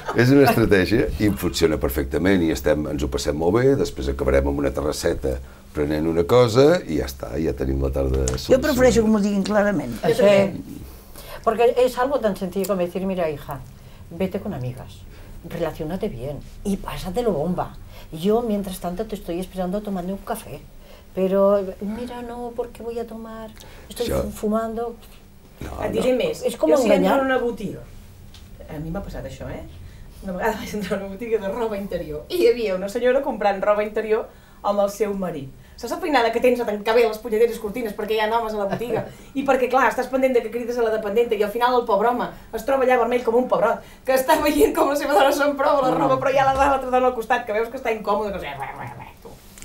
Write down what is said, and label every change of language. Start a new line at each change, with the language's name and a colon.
Catalan: És una estratègia i funciona perfectament i ens ho passem molt bé, després acabarem amb una terrasseta prenent una cosa i ja està, ja tenim la tarda solucionada. Jo prefereixo que m'ho diguin clarament. Perquè és algo tan senzill com dir, mira,
Spanish: hija, vete con amigas. Relaciónate bien y pásate lo bomba. Yo, mientras tanto, te estoy esperando tomando un café. Pero, mira, no, ¿por qué voy a tomar? Estoy fumando.
Catalan: Et diré més. És com enganyar. Jo, si entro en una botiga, a mi m'ha passat això, eh? Una vegada vaig entrar en una botiga de roba interior i hi havia una senyora comprant roba interior amb el seu marit. Saps la feinada que tens a tancar bé les punyeteres cortines perquè hi ha homes a la botiga? I perquè, clar, estàs pendent de que crides a la dependenta i al final el pobre home es troba allà vermell com un pebrot, que està veient com la seva dona s'emprova la roba, però hi ha la dona, l'altra dona al costat, que veus que està incòmode, que doncs,